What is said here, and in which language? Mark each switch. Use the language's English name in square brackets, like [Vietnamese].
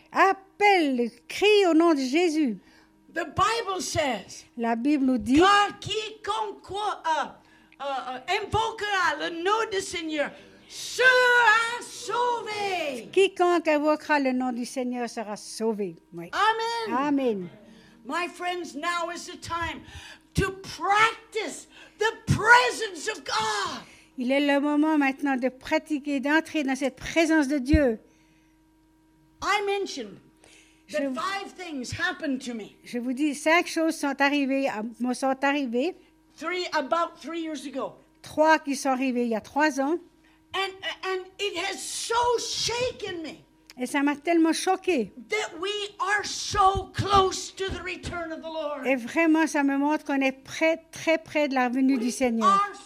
[French] appelle, crie au nom de Jésus. [English] The Bible says, [French] la Bible nous dit, car quiconque invoquera le nom du Seigneur sera sauvé. Quiconque invoquera le nom du Seigneur sera sauvé. Oui. Amen. Amen. [English] My friends, now is the time to practice the presence of God. [French] Il est le moment maintenant de pratiquer, d'entrer dans cette présence de Dieu. [English] I mentioned that five things happened to me. [French] Je vous dis, cinq choses sont arrivées, me sont arrivées. [English] Three, about 3 years ago. [French] Trois qui sont arrivées il y a 3 ans. [English] And it has so shaken me. [French] Et ça m'a tellement choquée. [English] That we are so close to the return of the Lord. [French] Et vraiment, ça me montre qu'on est près, très près de la venue du Seigneur.